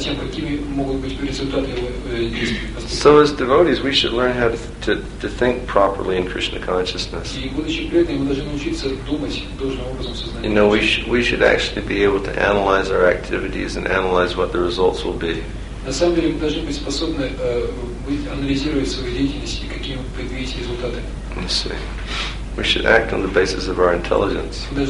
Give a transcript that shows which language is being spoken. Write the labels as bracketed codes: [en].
[en] So as devotees, we should learn how to think properly in Krishna consciousness. We should actually be able to analyze our activities and analyze what the results will be. [ru] На самом деле мы должны быть способны анализировать свою деятельность и какие мы предвидим результаты. [en] We should act on the basis of our intelligence.